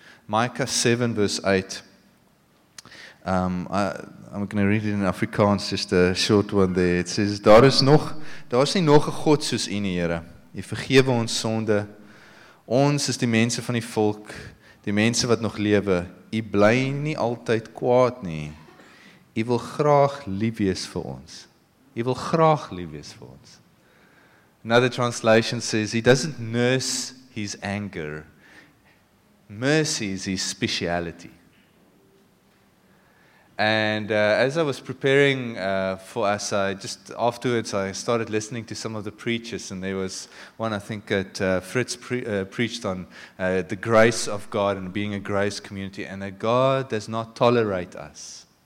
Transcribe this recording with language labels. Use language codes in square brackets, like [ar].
[en] Micah 7 verse 8. I'm going to read it in Afrikaans, just a short one there. It says, [af] daar is nie nog 'n God soos U, Here. U vergewe ons sonde. Ons is die mense van die volk, die mense wat nog lewe. U bly nie altyd kwaad nie. U wil graag lief wees vir ons. U wil graag lief wees vir ons. [en] Another translation says, He doesn't nurse His anger. Mercy is His speciality. And as I was preparing for us, I started listening to some of the preachers, and there was one, I think, that Fritz preached on the grace of God and being a grace community, and that God does not tolerate us.